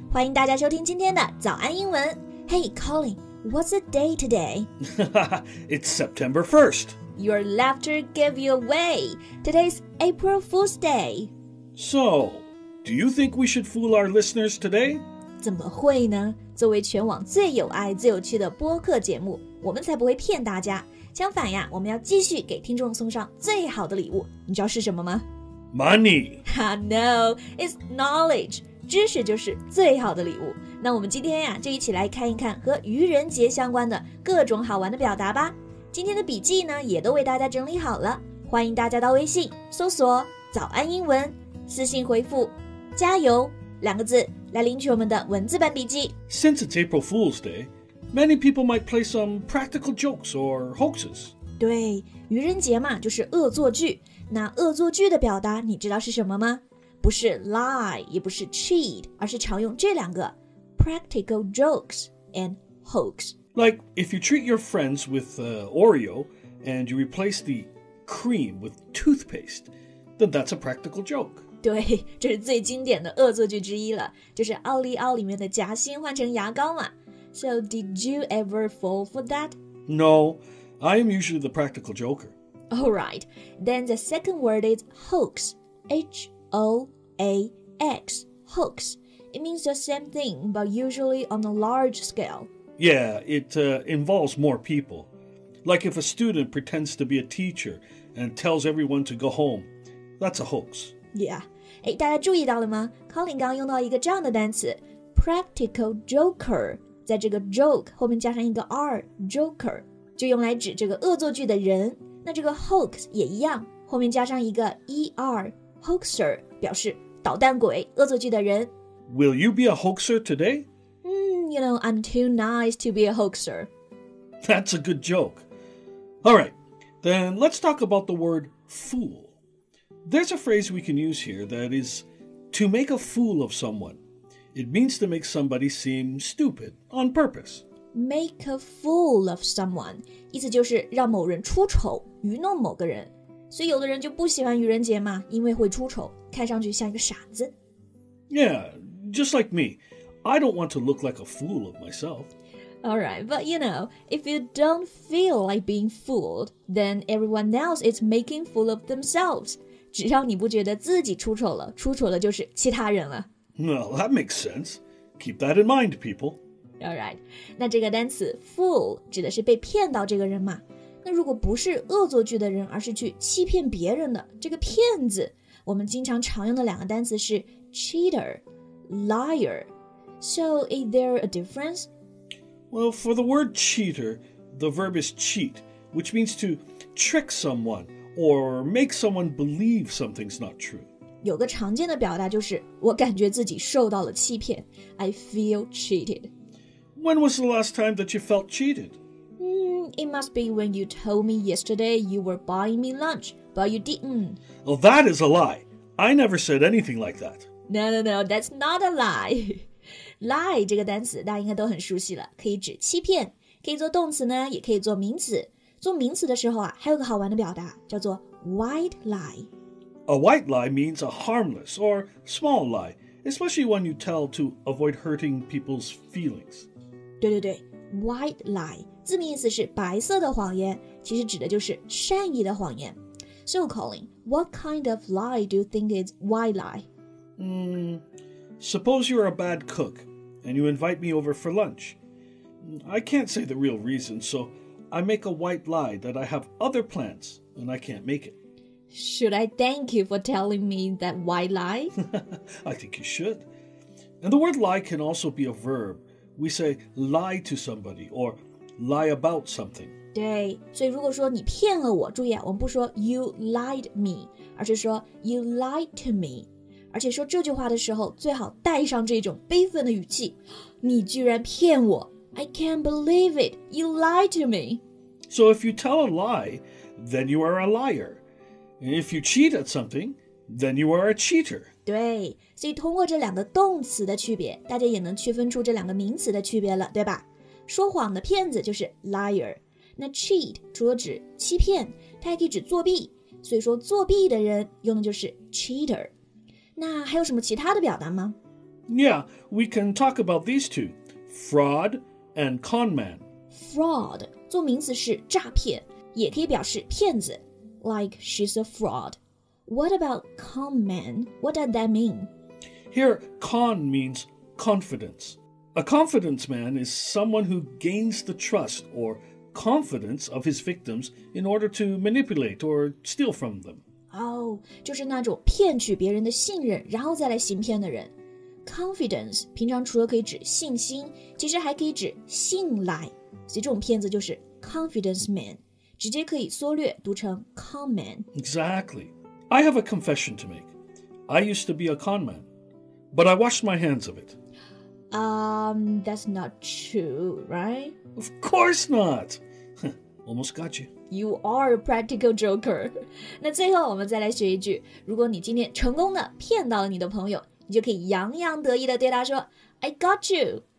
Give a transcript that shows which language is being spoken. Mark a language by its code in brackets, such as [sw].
[zh] 欢迎大家收听今天的早安英文。 [en] Hey, Colin, what's the day today? It's September 1st. Your laughter gave you away. Today's April Fool's Day. So, do you think we should fool our listeners today? [zh] 怎么会呢？作为全网最有爱、最有趣的播客节目，我们才不会骗大家。相反呀，我们要继续给听众送上最好的礼物，你知道是什么吗？ [en] Money! No, it's knowledge! [zh] 知识就是最好的礼物。那我们今天呀，就一起来看一看和愚人节相关的各种好玩的表达吧。今天的笔记呢，也都为大家整理好了。欢迎大家到微信搜索早安英文，私信回复加油两个字，来领取我们的文字版笔记。 [en] Since it's April Fool's Day,Many people might play some practical jokes or hoaxes. [zh] 对，愚人节嘛，就是恶作剧。那恶作剧的表达你知道是什么吗？不是 lie, 也不是 cheat, 而是常用这两个 [en] practical jokes and hoax. Like if you treat your friends with Oreo and you replace the cream with toothpaste, then that's a practical joke. [zh] 对，这是最经典的恶作剧之一了，就是奥利奥里面的夹心换成牙膏嘛。 [en] So, did you ever fall for that? No, I am usually the practical joker. Alright, then the second word is hoax. H-O-A-X, hoax. It means the same thing, but usually on a large scale. Yeah, it involves more people. Like if a student pretends to be a teacher and tells everyone to go home, that's a hoax. [zh] Yeah, 诶，大家注意到了吗？Colin 刚刚用到一个这样的单词 practical joker. 在这个 joke 后面加上一个 r, joker, 就用来指这个恶作剧的人。那这个 hoax 也一样，后面加上一个 er, hoaxer, 表示捣蛋鬼、恶作剧的人。 [en] Will you be a hoaxer today? You know, I'm too nice to be a hoaxer. That's a good joke. Alright, then let's talk about the word fool. There's a phrase we can use here that is to make a fool of someone. It means to make somebody seem stupid on purpose. Make a fool of someone. [zh] 意思就是让某人出丑，愚弄某个人。所以有的人就不喜欢愚人节嘛，因为会出丑，看上去像一个傻子。 [en] Yeah, just like me. I don't want to look like a fool of myself. Alright, but you know, if you don't feel like being fooled, then everyone else is making fool of themselves. [zh] 只要你不觉得自己出丑了，出丑的就是其他人了。 [en] Well, that makes sense. Keep that in mind, people. [zh] Alright, 那这个单词 fool 指的是被骗到这个人嘛。那如果不是恶作剧的人，而是去欺骗别人的这个骗子，我们经常常用的两个单词是 cheater, liar. [en] So, is there a difference? Well, for the word cheater, the verb is cheat, which means to trick someone or make someone believe something's not true. [zh] 有个常见的表达就是我感觉自己受到了欺骗 [en] I feel cheated When was the last time that you felt cheated? It must be when you told me yesterday you were buying me lunch, but you didn't Well, that is a lie I never said anything like that No, that's not a lie [zh] Lie 这个单词大家应该都很熟悉了可以指欺骗可以做动词呢也可以做名词做名词的时候啊还有个好玩的表达叫做 white lie [en] A white lie means a harmless or small lie, especially one you tell to avoid hurting people's feelings. [zh] 对对对 white lie, 字面意思是白色的谎言其实指的就是善意的谎言。 [en] So, Colin, what kind of lie do you think is white lie? Suppose you're a bad cook and you invite me over for lunch. I can't say the real reason, so I make a white lie that I have other plans and I can't make it. Should I thank you for telling me that white lie? I think you should. And the word lie can also be a verb. We say lie to somebody or lie about something. [zh] 对，所以如果说你骗了我，注意啊，我们不说 [en] you lied me, [zh] 而是说 [en] you lied to me. [zh] 而且说这句话的时候，最好带上这种悲愤的语气。你居然骗我 ！ [en] I can't believe it. You lied to me. So if you tell a lie, then you are a liar. If you cheat at something, then you are a cheater. [zh] 对，所以通过这两个动词的区别，大家也能区分出这两个名词的区别了，对吧？说谎的骗子就是 liar。那 cheat 除了指欺骗，它还可以指作弊。所以说作弊的人用的就是 cheater。那还有什么其他的表达吗？ [en] Yeah, we can talk about these two, fraud and con man. [zh] Fraud 做名词是诈骗，也可以表示骗子， [en] like she's a fraud. What about con man? What does that mean? Here, con means confidence. A confidence man is someone who gains the trust orconfidence of his victims in order to manipulate or steal from them. [zh] Oh, 就是那种骗取别人的信任然后再来行骗的人。 Confidence 平常除了可以指信心，其实还可以指信赖，所以这种骗子就是 confidence man, 直接可以缩略读成 con man. [en] Exactly. I have a confession to make. I used to be a con man, but I washed my hands of it. That's not true, right? Of course not! Almost got you. You are a practical joker. [zh] 那最后我们再来学一句，如果你今天成功的骗到了你的朋友，你就可以洋洋得意的对他说 [en] I got you.